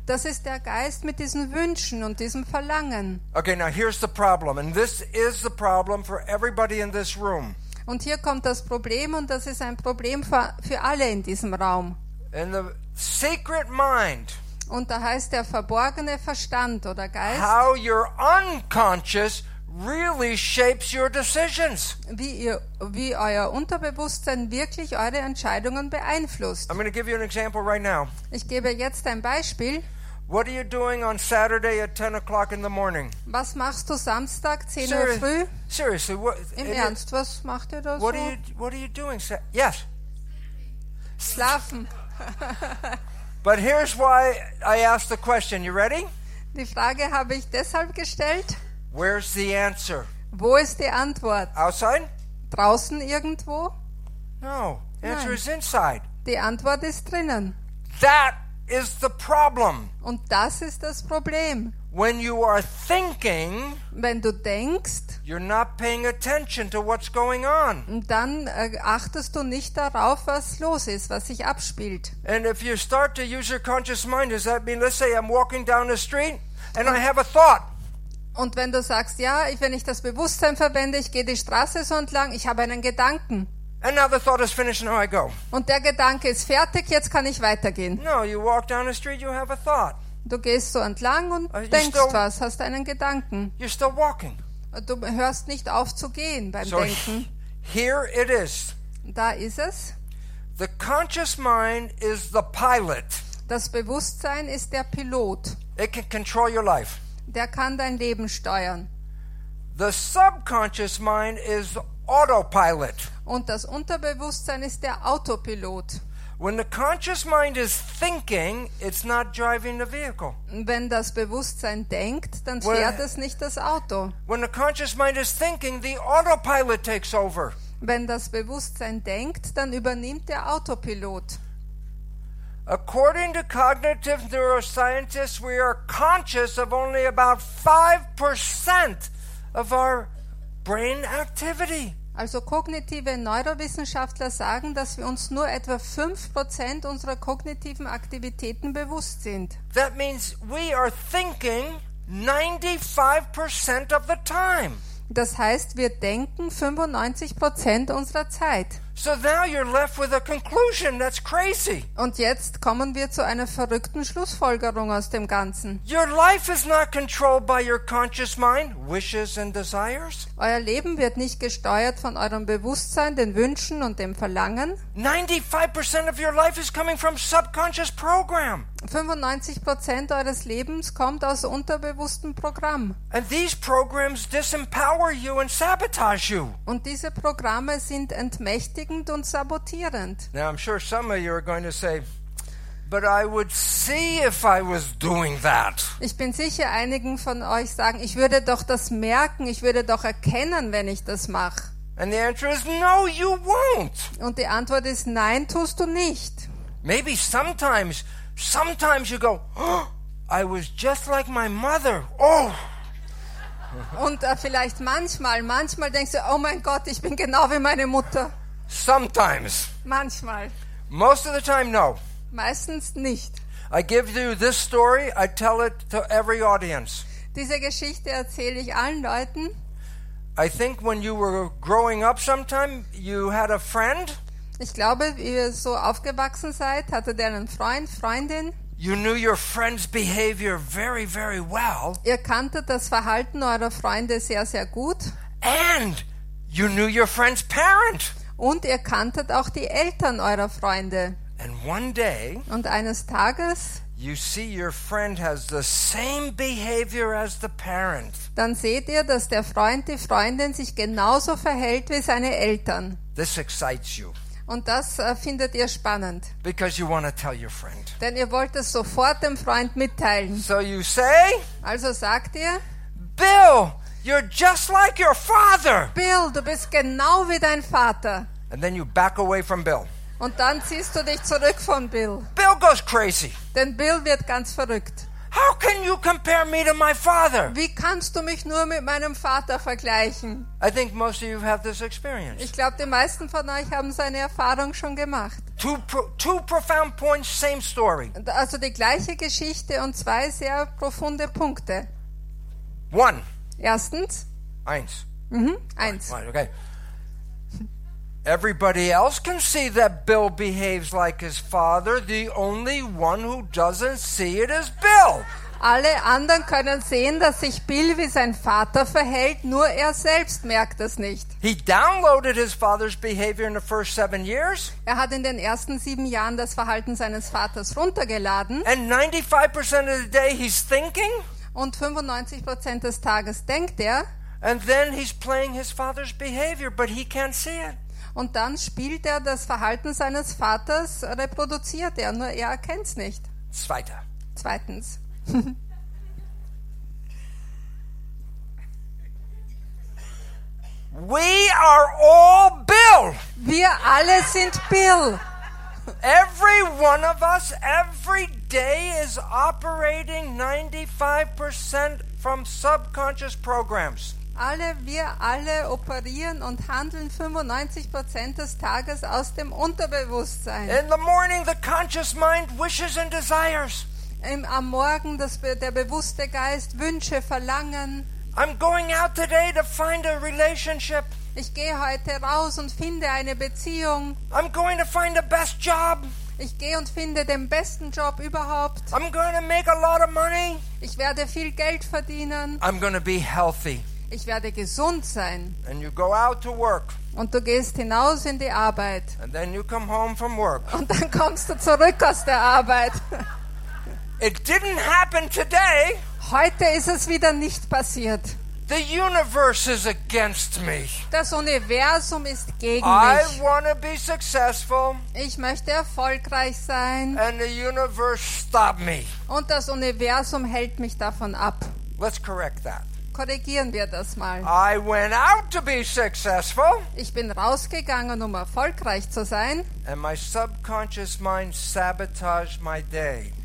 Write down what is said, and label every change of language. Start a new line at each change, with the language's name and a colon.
German: Das ist der Geist mit diesen Wünschen und diesem Verlangen.
English: Okay, now here's the problem, and this is the problem for everybody in this room.
German: Und hier kommt das Problem, und das ist ein Problem für alle in diesem Raum.
English: In the secret mind.
German: Und da heißt der verborgene Verstand oder Geist.
English: How your unconscious really shapes your decisions.
German: Wie euer Unterbewusstsein wirklich eure Entscheidungen beeinflusst.
English: I'm going to give you an example right now.
German: Ich gebe jetzt ein Beispiel.
English: What are you doing on Saturday at 10 o'clock in the morning?
German: Was machst du Samstag 10 Uhr früh?
English: Seriously,
German: was macht ihr da so?
English: What are you doing? Yes.
German: Schlafen.
English: But here's why I asked the question. You ready?
German: Die Frage habe ich deshalb gestellt.
English: Where's the answer?
German: Wo ist die Antwort?
English: Outside?
German: Draußen irgendwo?
English: No, answer is inside.
German: Die Antwort ist drinnen.
English: That is the problem.
German: Und das ist das Problem.
English: When you are thinking,
German: wenn du denkst,
English: you're not paying attention to what's going on.
German: Dann achtest du nicht darauf, was los ist, was sich abspielt.
English: And if you start to use your conscious mind, does that mean, let's say I'm walking down the street and I have a thought?
German: Und wenn du sagst, ja, wenn ich das Bewusstsein verwende, ich gehe die Straße so entlang, ich habe einen Gedanken.
English: And now the thought is finished, now I go.
German: Und der Gedanke ist fertig, jetzt kann ich weitergehen.
English: No, you walk down the street, you have a thought.
German: Du gehst so entlang und denkst was, hast einen Gedanken.
English: You're still walking.
German: Du hörst nicht auf zu gehen beim Denken.
English: Here it is.
German: Da ist es.
English: The conscious mind is the pilot.
German: Das Bewusstsein ist der Pilot.
English: It can control your life.
German: Der kann dein Leben steuern.
English: The subconscious mind is autopilot.
German: Und das Unterbewusstsein ist der Autopilot.
English: When the conscious mind is thinking, it's not driving the vehicle.
German: Wenn das Bewusstsein denkt, dann fährt es nicht das Auto.
English: When the conscious mind is thinking, the autopilot takes over.
German: Wenn das Bewusstsein denkt, dann übernimmt der Autopilot.
English: According to cognitive neuroscientists, we are conscious of only about 5% of our brain activity.
German: Also kognitive Neurowissenschaftler sagen, dass wir uns nur etwa 5% unserer kognitiven Aktivitäten bewusst sind.
English: That means we are thinking 95% of the time.
German: Das heißt, wir denken 95% unserer Zeit.
English: So now you're left with a conclusion that's crazy.
German: Und jetzt kommen wir zu einer verrückten Schlussfolgerung aus dem Ganzen.
English: Your life is not controlled by your conscious mind, wishes and desires.
German: Euer Leben wird nicht gesteuert von eurem Bewusstsein, den Wünschen und dem Verlangen.
English: 95% of your life is coming from subconscious program.
German: 95% eures Lebens kommt aus unterbewussten Programm.
English: And these programs disempower you and sabotage you.
German: Und diese Programme sind entmächtigend und sabotierend.
English: Now I'm sure some of you are going to say, but I would see if I was doing that.
German: Ich bin sicher, einigen von euch sagen, ich würde doch das merken, ich würde doch erkennen, wenn ich das mache.
English: And the answer is no, you won't.
German: Und die Antwort ist nein, tust du nicht.
English: Maybe sometimes. Sometimes you go, oh, I was just like my mother. Oh.
German: Und vielleicht manchmal denkst du, oh mein Gott, ich bin genau wie meine Mutter.
English: Sometimes.
German: Manchmal.
English: Most of the time, no.
German: Meistens nicht.
English: I give you this story, I tell it to every audience.
German: Diese Geschichte erzähle ich allen Leuten.
English: I think when you were growing up sometime, you had a friend.
German: Ich glaube, wie ihr so aufgewachsen seid, hatte der einen Freund, Freundin.
English: You knew your friend's behavior very, very well.
German: Ihr kanntet das Verhalten eurer Freunde sehr, sehr gut.
English: And you knew your friend's parent.
German: Und ihr kanntet auch die Eltern eurer Freunde.
English: And one day,
German: und eines Tages,
English: you see your friend has the same behavior as the parent.
German: Dann seht ihr, dass der Freund, die Freundin sich genauso verhält wie seine Eltern.
English: This excites you.
German: Und das findet ihr spannend.
English: Because you want to tell your friend.
German: Denn ihr wollt es sofort dem Freund mitteilen.
English: So you say,
German: also sagt ihr,
English: Bill, you're just like your father.
German: Bill, du bist genau wie dein Vater.
English: And then you back away from Bill.
German: Und dann ziehst du dich zurück von Bill.
English: Bill goes crazy.
German: Denn Bill wird ganz verrückt.
English: How can you compare me to my father?
German: Wie kannst du mich nur mit meinem Vater vergleichen?
English: I think most of you have this experience.
German: Ich glaube, die meisten von euch haben seine Erfahrung schon gemacht.
English: Two profound points, same story.
German: Also die gleiche Geschichte und zwei sehr profunde Punkte.
English: One.
German: Erstens. Eins. Mhm, eins.
English: Okay. Everybody else can see that Bill behaves like his father. The only one who doesn't see it is Bill.
German: Alle anderen können sehen, dass sich Bill wie sein Vater verhält, nur er selbst merkt es nicht.
English: He downloaded his father's behavior in the first 7 years.
German: Er hat in den ersten 7 Jahren das Verhalten seines Vaters runtergeladen.
English: And 95% of the day he's thinking.
German: Und 95% des Tages denkt er.
English: And then he's playing his father's behavior, but he can't see it.
German: Und dann spielt er das Verhalten seines Vaters, reproduziert er, nur er erkennt es nicht. Zweitens.
English: We are all Bill.
German: Wir alle sind Bill.
English: Every one of us, every day is operating 95% from subconscious programs.
German: Wir alle operieren und handeln 95% des Tages aus dem Unterbewusstsein.
English: In the morning, the conscious mind wishes and desires.
German: Am Morgen der bewusste Geist Wünsche, Verlangen.
English: I'm going out today to find a relationship.
German: Ich gehe heute raus und finde eine Beziehung.
English: I'm going to find the best job.
German: Ich gehe und finde den besten Job überhaupt.
English: I'm going to make a lot of money.
German: Ich werde viel Geld verdienen.
English: I'm going to be healthy.
German: Ich werde gesund sein.
English: And you go out to work.
German: Und du gehst hinaus in die Arbeit.
English: And then you come home from work.
German: Und dann kommst du zurück aus der Arbeit.
English: It didn't happen today.
German: Heute ist es wieder nicht passiert.
English: The universe is against me.
German: Das Universum ist gegen
English: I mich. I want to be successful.
German: Ich möchte erfolgreich sein.
English: And the universe stopped me.
German: Und das Universum hält mich davon ab.
English: Let's correct that.
German: Korrigieren wir das mal.
English: I went out to be successful.
German: Ich bin rausgegangen, um erfolgreich zu sein.
English: And my subconscious mind sabotaged my day.